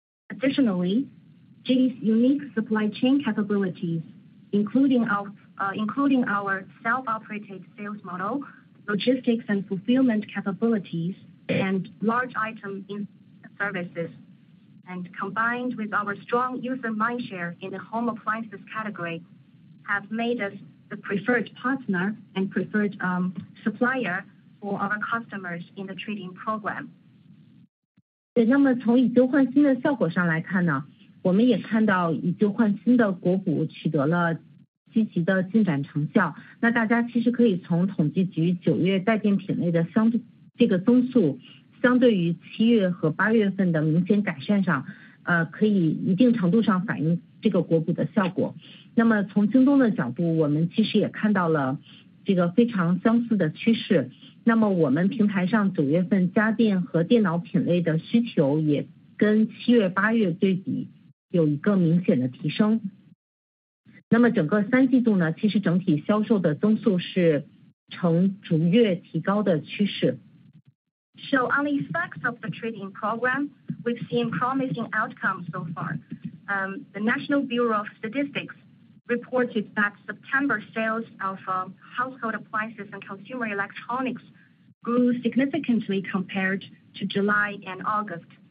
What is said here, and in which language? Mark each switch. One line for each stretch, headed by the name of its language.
English: Additionally, JD's unique supply chain capabilities, including our self-operated sales model, logistics and fulfillment capabilities, and large item services, and combined with our strong user mindshare in the home appliances category, have made us the preferred partner and preferred supplier for our customers in the trading program.
Chinese: 对，那么从以旧换新的效果上来看呢，我们也看到以旧换新的国补取得了积极的进展成效。那大家其实可以从统计局九月带电品类的这个增速，相对于七月和八月份的明显改善上，可以一定程度上反映这个国补的效果。那么从京东的角度，我们其实也看到了这个非常相似的趋势。那么我们平台上九月份家电和电脑品类的需求也跟七月八月对比有一个明显的提升。那么整个三季度呢，其实整体销售的增速是呈逐月提高的趋势。
English: So on the effects of the trading program, we've seen promising outcomes so far. The National Bureau of Statistics reported that September sales of household appliances and consumer electronics grew significantly compared to July and August.